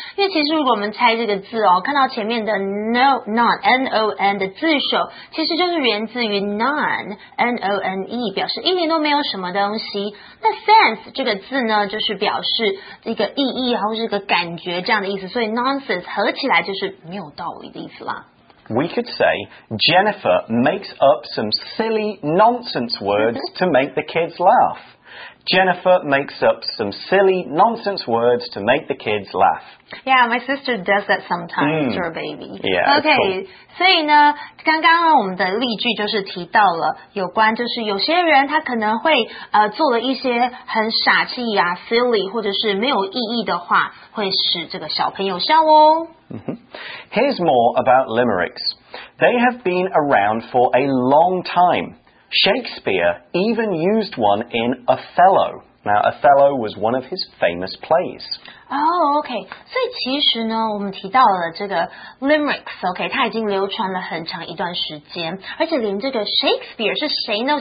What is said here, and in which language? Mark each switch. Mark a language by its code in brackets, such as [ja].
[zh] 因为其实如果我们猜这个字哦，看到前面的 no, non, N-O-N 的字首，其实就是源自于 non, N-O-N-E, 表示一点都没有什么东西。那 sense 这个字呢，就是表示一个意义或是一个感觉这样的意思。所以 nonsense 合起来就是没有道理的意思啦。 [en] We could say, Jennifer makes up some silly nonsense words to make the kids laugh. Jennifer makes up some silly nonsense words to make the kids laugh. Yeah, my sister does that sometimes to her baby. Yeah, okay, cool. [zh] 所以呢，刚刚我们的例句就是提到了有关就是有些人他可能会做了一些很傻气啊 silly 或者是没有意义的话会使这个小朋友笑哦。 [en] Here's more about limericks. They have been around for a long time. Shakespeare even used one in Othello. Now, Othello was one of his famous plays. [zh] Oh, okay. 所以其实呢，我们提到了这个 limericks, okay, 它已经流传了很长一段时间，而且连这个 Shakespeare 是谁呢？